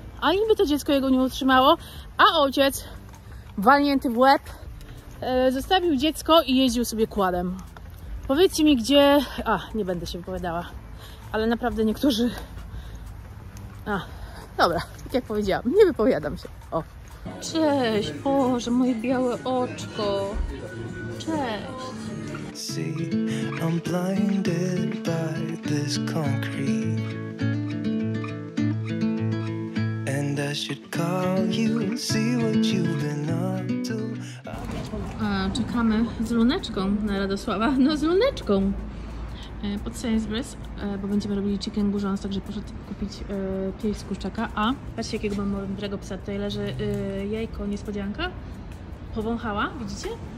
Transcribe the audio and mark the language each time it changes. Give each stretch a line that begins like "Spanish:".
Polish: A niby to dziecko jego nie utrzymało, a ojciec, walnięty w łeb, zostawił dziecko i jeździł sobie quadem. Powiedzcie mi, gdzie... A, nie będę się wypowiadała. Ale naprawdę niektórzy... A, dobra, tak jak powiedziałam, nie wypowiadam się. O. Cześć, Boże, moje białe oczko. Cześć.
English: See, I'm blinded by this concrete, and I should call you, see what you've been up to.
Polish: Czekamy z Luneczką na Radosława. No z Luneczką! Pod Sainsbury's, bo będziemy robili chicken burzons, także poszedł kupić pieś z kurczaka. A patrzcie, jakiego mam mądrego psa. Tutaj leży jajko, niespodzianka. Powąchała, widzicie?